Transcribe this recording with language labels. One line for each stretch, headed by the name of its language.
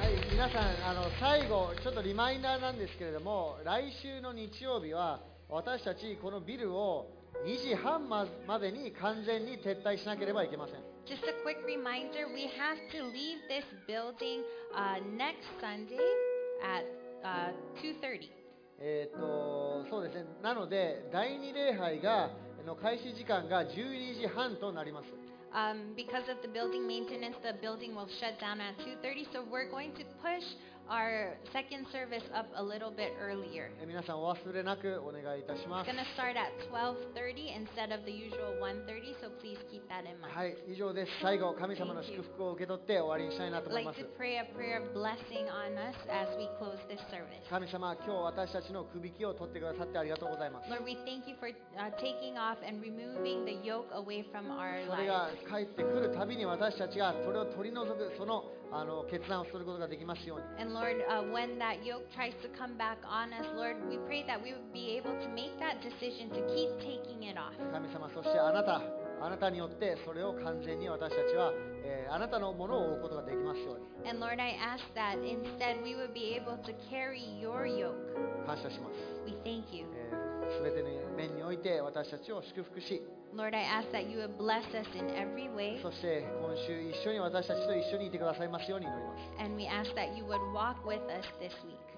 Japanese: 皆さん、最後ちょっとリマインダーなんですけれども、来週の日曜日は私たちこのビルを2時半までに完全に撤退しなければいけません。
English: Just a quick reminder, we have to leave this building next Sunday at 2:30.
Japanese: そうですね。なので第2礼拝がの開始時間が12時半となります。
English: Because of the building maintenance, the building will shut down at 2:30, so we're going to push our second service up a little bit earlier.
Japanese: 皆さんお忘れなくお願いいたします。
English: It's going to start at 12:30 instead of the usual 1:30, so please keep that in mind.
Japanese: はい、以上です。最後、神様の祝福を受け取って終わりにしたいなと思います。
English: I'd like to pray a prayer of blessing on us as we close this service.
Japanese: 神様、今日私たちの首輝きを取ってくださってありがとうございます。
English: Lord, we thank you for taking off and removing the yoke away from our lives.
Japanese: それが帰ってくるたびに私たちがそれを取り除く、その決断をすることができますように。
English: And Lord, when that yoke tries to come back on us, Lord, we pray that we would be able to make that decision to keep taking it off.
Japanese: 神様、そしてあなたによってそれを完全に私たちは、あなたのものを追うことができますように。
English: And Lord, I ask that instead we would be able to carry your yoke.
Japanese: 感謝します。
English: We thank you.
Japanese: 全ての面において私たちを祝福し、
English: Lord, I ask that you would bless us in every way.
Japanese: そして今週一緒に私たちと一緒にいてくださいますように祈ります。
English: And we ask that you would walk with us this week.